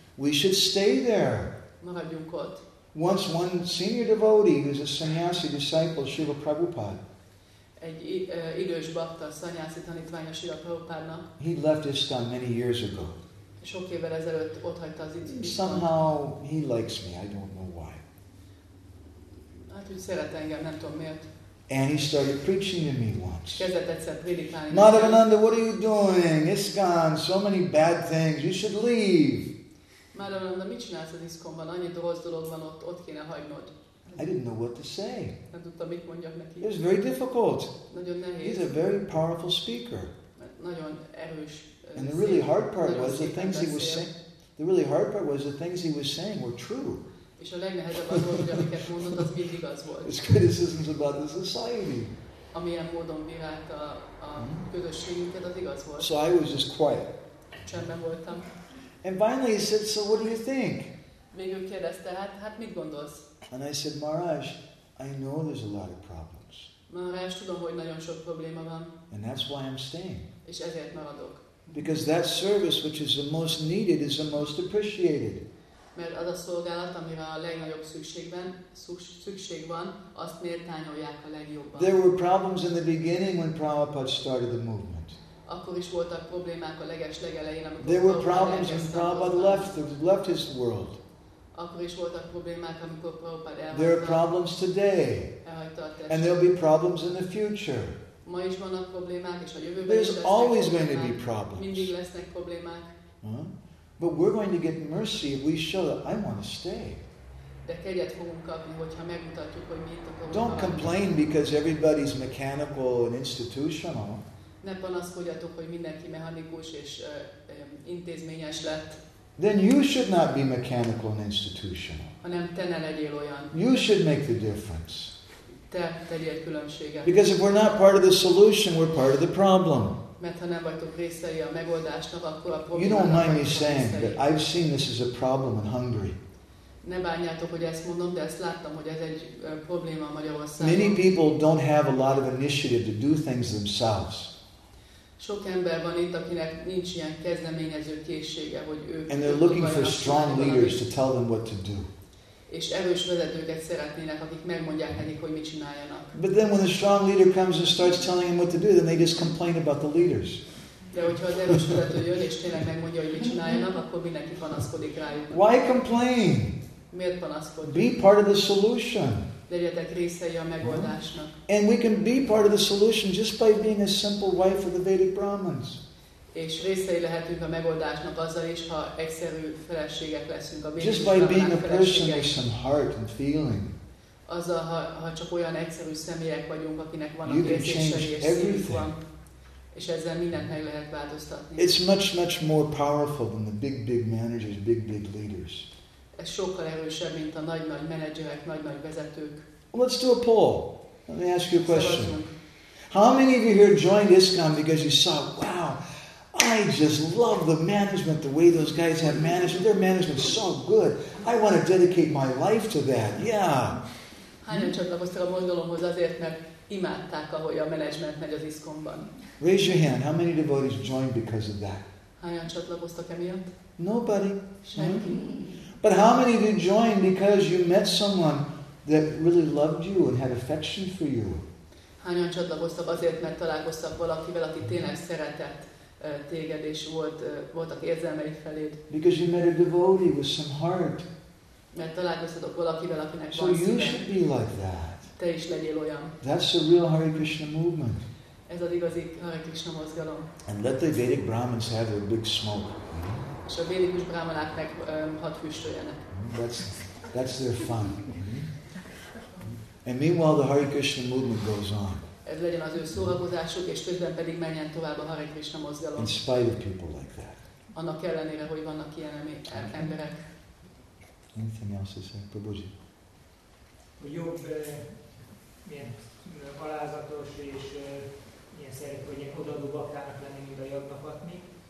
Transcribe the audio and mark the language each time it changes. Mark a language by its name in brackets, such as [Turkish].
[English] We should stay there. [Hungarian] Maradjunk ott. [English] Once one senior devotee, who's a sannyasi disciple, Srila Prabhupada. [Hungarian] Egy idős bhakta, sannyasi tanítványa Srila Prabhupádnak. [English] He left ISKCON many years ago. [Hungarian] Sok évvel ezelőtt ott hagyta az ISKCON. [English] Somehow he likes me, I don't know why. [Hungarian] Hát úgy szeret engem, nem tudom miért. [English] And he started preaching to me once. [Hungarian] Kezdett egyszer prédikálni. [English] Madhavananda, what are you doing? ISKCON, so many bad things, you should leave. [Hungarian] Madhavananda, mit csinálsz az ISKCON-ban? Annyi rossz dolog van ott, ott kéne hagynod. [English] I didn't know what to say. [Hungarian] Nem tudtam, mit mondjak neki. [English] It was very difficult. [Hungarian] Nagyon nehéz. [English] He's a very powerful speaker. [Hungarian] Nagyon erős. [English] And the really hard part was the things he was saying. The really hard part was the things he was saying were true. [Hungarian] És a legnehezebb az volt, hogy amiket mondott, az mindig igaz volt. [English] His criticisms about the society. [Hungarian] Amilyen módon bírált a közösségünket, az igaz volt. [English] So I was just quiet. [Hungarian] Csendben voltam. [English] And finally he said, so what do you think? [Hungarian] Végül kérdezte, hát mit gondolsz? [English] And I said, Maharaj, I know there's a lot of problems. [Hungarian] Maharaj, tudom, hogy nagyon sok probléma van. [English] And that's why I'm staying. [Hungarian] És ezért maradok. [English] Because that service which is the most needed is the most appreciated. [Hungarian] Mert az a szolgálat, amire a legnagyobb szükség van, azt méltányolják a legjobban. [English] There were problems in the beginning when Prabhupada started the movement. [Hungarian] Akkor is voltak problémák a legelején, amikor [English] there were problems when Prabhupada left his world. [Hungarian] Akkor is voltak problémák, amikor Prabhupada elhagyta. [English] There are problems today. And there'll be problems in the future. [Hungarian] Ma is vannak problémák, és a jövőben [English] there's [Hungarian] is [English] always [Hungarian] problémák. [English] Going to be problems. [Hungarian] Mindig lesznek problémák. [English] But we're going to get mercy if we show that I want to stay. [Hungarian] De kegyet fogunk kapni, hogyha megmutatjuk, hogy mi itt a probléma. [English] Don't complain because everybody's mechanical and institutional. [Hungarian] Ne panaszkodjatok, hogy mindenki mechanikus és intézményes lett. [English] Then you should not be mechanical and institutional. [Hungarian] Hanem te ne legyél olyan. [English] You should make the difference. [Hungarian] Te tegyél különbséget. [English] Because if we're not part of the solution, we're part of the problem. [Hungarian] Mert ha nem vagytok részei a megoldásnak, akkor a problémának. [English] You don't mind me saying that I've seen this as a problem in Hungary. [Hungarian] Ne bánjátok, hogy ezt mondom, de ezt láttam, hogy ez egy probléma Magyarországon. [English] Many people don't have a lot of initiative to do things themselves. [Hungarian] Sok ember van itt, akinek nincs ilyen kezdeményező készsége, hogy ők. [English] And they're looking for strong leaders to tell them what to do. [Hungarian] És erős vezetőket szeretnének, akik megmondják nekik, hogy mit csináljanak. [English] But then when a strong leader comes and starts telling them what to do, then they just complain about the leaders. [Hungarian] De hogyha az erős vezető jön és tényleg megmondja, hogy mit csináljanak, akkor mindenki panaszkodik rájuk. [English] Why complain? [Hungarian] Miért panaszkodik? [English] Be part of the solution. [Hungarian] Legyetek részei a megoldásnak. [English] And we can be part of the solution just by being a simple wife of the Vedic Brahmins. [Hungarian] És részei lehetünk a megoldásnak azzal is, ha egyszerű feleségek leszünk a bédik. [English] Just by being a person with some heart and feeling. [Hungarian] Azzal, ha csak olyan egyszerű személyek vagyunk, akinek van a érzései és szívük van. És ezzel mindent meg lehet változtatni. [English] It's much, much more powerful than the big, big managers, big, big leaders. [Hungarian] Ez sokkal erősebb, mint a nagy-nagy menedzserek, nagy-nagy vezetők. [English] Let's do a poll. Let me ask you a question. How many of you here joined ISKCON because you saw, wow, I just love the management, the way those guys have managed. Their management is so good. I want to dedicate my life to that. Yeah. [Hungarian] Hányan csatlakoztak a mozgalomhoz azért, mert imádták, ahogy a menedzsment megy az ISKCON-ban. [English] Raise your hand. How many devotees joined because of that? [Hungarian] Hányan csatlakoztak emiatt? [English] Nobody. [Hungarian] Senki. [English] But how many of you joined because you met someone that really loved you and had affection for you? [Hungarian] Hányan csatlakoztak azért, mert találkoztak valakivel, aki tényleg szeretett téged, és voltak érzelmei feléd? [English] Because you met a devotee with some heart. [Hungarian] Mert találkoztatok valakivel, akinek van szíve. [English] So you should be like that. [Hungarian] Te is legyél olyan. [English] That's the real Hare Krishna movement. [Hungarian] Ez az igazi Hare Krishna mozgalom. [English] And let the Vedic Brahmins have their big smoke. [Hungarian] És a Vedikus Brahmanák meg hadd füstöljenek. [English] That's their fun. And meanwhile, the Hare Krishna movement goes on. [Hungarian] Ez legyen az ő szórakozásuk, és közben pedig menjen tovább a Hare Krishna mozgalom. [English] In spite of people like that. [Hungarian] Annak ellenére, hogy vannak ilyen emberek. [English] Anything else to say, Prabhuji? [Hungarian] A jobb, milyen alázatos és ilyen szeretik, hogy ilyen odaadó baktának lenni, mint a jobbnak adni.